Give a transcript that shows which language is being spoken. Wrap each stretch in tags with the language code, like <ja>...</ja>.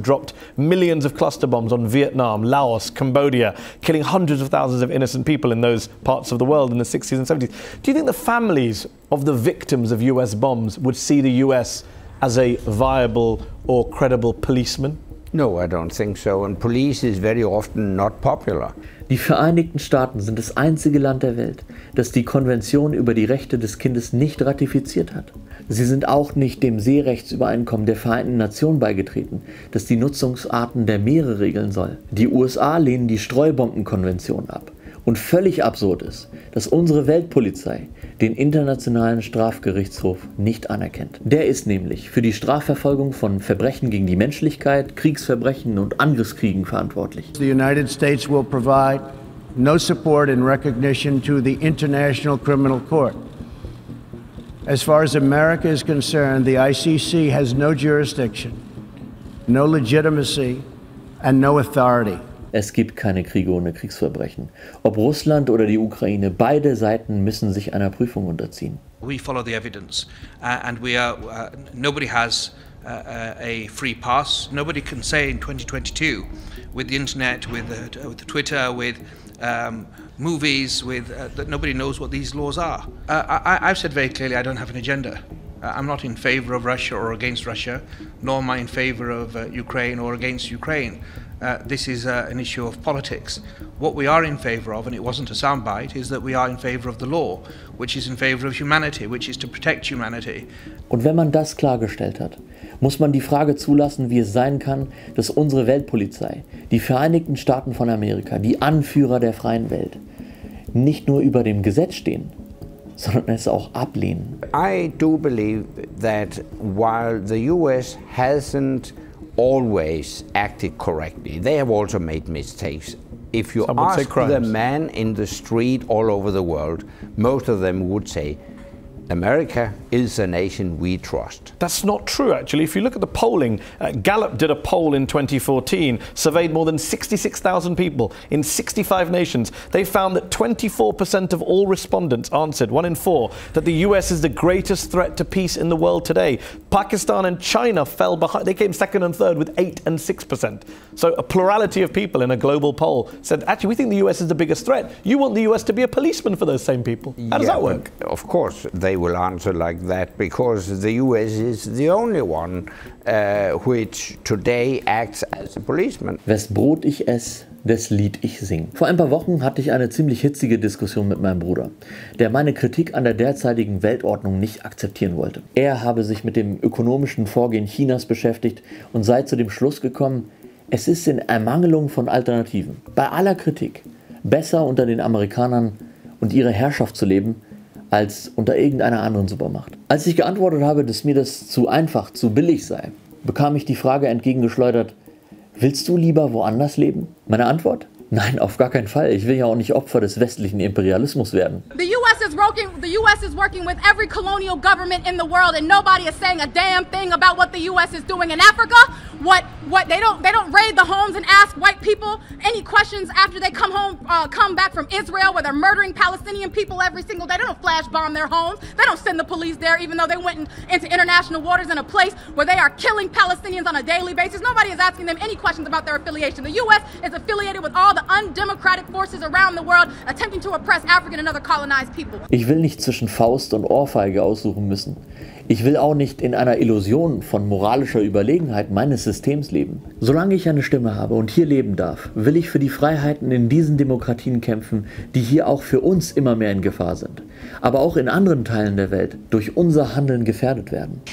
<en>It dropped millions of cluster bombs on Vietnam, Laos, Cambodia, killing hundreds of thousands of innocent people in those parts of the world in the 60s and 70s. Do you think the families of the victims of US bombs would see the US as a viable or credible policeman? No, I don't think so. And police is very often not popular.</en> <de>Die Vereinigten Staaten sind das einzige Land der Welt, das die Konvention über die Rechte des Kindes nicht ratifiziert hat. Sie sind auch nicht dem Seerechtsübereinkommen der Vereinten Nationen beigetreten, das die Nutzungsarten der Meere regeln soll. Die USA lehnen die Streubombenkonvention ab. Und völlig absurd ist, dass unsere Weltpolizei den Internationalen Strafgerichtshof nicht anerkennt. Der ist nämlich für die Strafverfolgung von Verbrechen gegen die Menschlichkeit, Kriegsverbrechen und Angriffskriegen verantwortlich.</de> <en>The United States will provide no support and recognition to the International Criminal Court. As far as America is concerned, the ICC has no jurisdiction, no legitimacy and no authority.</en> <de>Es gibt keine Kriege ohne Kriegsverbrechen. Ob Russland oder die Ukraine, beide Seiten müssen sich einer Prüfung unterziehen.</de> <en>We follow the evidence and we are nobody has a free pass. Nobody can say in 2022 with the internet, with the Twitter, with movies, with that nobody knows what these laws are. I've said very clearly I don't have an agenda. I'm not in favor of Russia or against Russia, nor am I in favor of Ukraine or against Ukraine. This is an issue of politics. What we are in favour of, and it wasn't a soundbite, is that we are in favour of the law, which is in favour of humanity, which is to protect humanity.</en> <de>Und wenn man das klargestellt hat, muss man die Frage zulassen, wie es sein kann, dass unsere Weltpolizei, die Vereinigten Staaten von Amerika, die Anführer der freien Welt, nicht nur über dem Gesetz stehen, sondern es auch ablehnen.</de> <en>I do believe that while the US hasn't always acted correctly, they have also made mistakes. If you ask the man in the street all over the world, most of them would say, America is a nation we trust. That's not true, actually. If you look at the polling, Gallup did a poll in 2014, surveyed more than 66,000 people in 65 nations. They found that 24% of all respondents answered, one in four, that the US is the greatest threat to peace in the world today. Pakistan and China fell behind. They came second and third with 8 and 6%. So a plurality of people in a global poll said, actually, we think the US is the biggest threat. You want the US to be a policeman for those same people. How does that work? Of course. They will answer like that because the US is the only one which today acts as a policeman.</en> <de>Wes Brot ich ess, des Lied ich sing. Vor ein paar Wochen hatte ich eine ziemlich hitzige Diskussion mit meinem Bruder, der meine Kritik an der derzeitigen Weltordnung nicht akzeptieren wollte. Er habe sich mit dem ökonomischen Vorgehen Chinas beschäftigt und sei zu dem Schluss gekommen, es ist in Ermangelung von Alternativen. Bei aller Kritik, besser unter den Amerikanern und ihre Herrschaft zu leben, als unter irgendeiner anderen Supermacht. Als ich geantwortet habe, dass mir das zu einfach, zu billig sei, bekam ich die Frage entgegengeschleudert, willst du lieber woanders leben? Meine Antwort? Nein, auf gar keinen Fall. Ich will ja auch nicht Opfer des westlichen Imperialismus werden.</de> <en>The US is working, with every colonial government in the world and nobody is saying a damn thing about what the US is doing in Africa. They don't raid the homes and ask white people any questions after they come home, come back from Israel where they're murdering Palestinian people every single day. They don't flash bomb their homes. They don't send the police there even though they went into international waters in a place where they are killing Palestinians on a daily basis. Nobody is asking them any questions about their affiliation. The US is affiliated with all the undemocratic forces around the world attempting to oppress African and other colonized people.</en> <de>Ich will nicht zwischen Faust und Ohrfeige aussuchen müssen. Ich will auch nicht in einer Illusion von moralischer Überlegenheit meines Systems leben. Solange ich eine Stimme habe und hier leben darf, will ich für die Freiheiten in diesen Demokratien kämpfen, die hier auch für uns immer mehr in Gefahr sind, aber auch in anderen Teilen der Welt durch unser Handeln gefährdet werden.</de>